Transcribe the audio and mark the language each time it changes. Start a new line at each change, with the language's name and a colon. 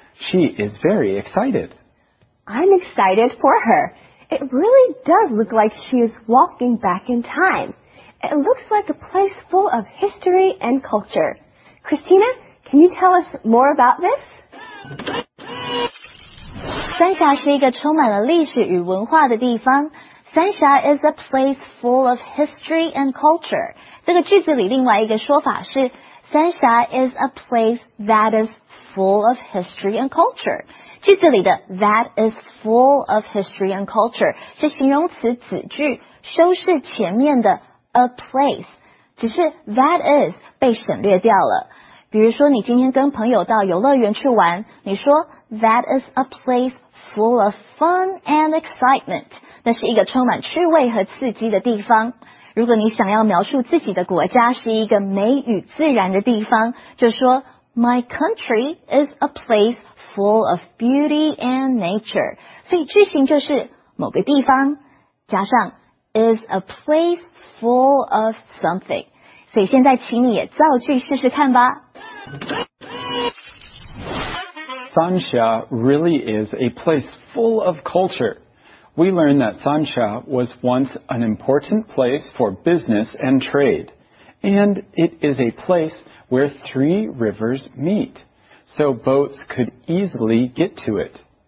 English: She is very excited. I'm excited for her. It really does look like she is walking back in time. It looks like a place full of history and culture. Christina? Can you tell us more about this?
Chinese: 三峡是一个充满了历史与文化的地方。
English: Sansha is a place full of history and culture.
Chinese: 这个句子里另外一个说法是
English: Sansha is a place that is full of history and culture.
Chinese: 句子里的
English: that is full of history and culture
Chinese: 是形容词子句修饰前面的 a place, 只是 that is 被省略掉了。比如说你今天跟朋友到游乐园去玩，你说
English: that is a place full of fun and excitement,
Chinese: 那是一个充满趣味和刺激的地方。如果你想要描述自己的国家是一个美与自然的地方，就说
English: My country is a place full of beauty and nature.
Chinese: 所以句型就是某个地方加上
English: is a place full of something.
Chinese: 所以现在请你也造句试试看吧。
English: Sansha really is a place full of culture. We learn that Sansha was once an important place for business and trade, and it is a place where three rivers meet, so boats could easily get to it.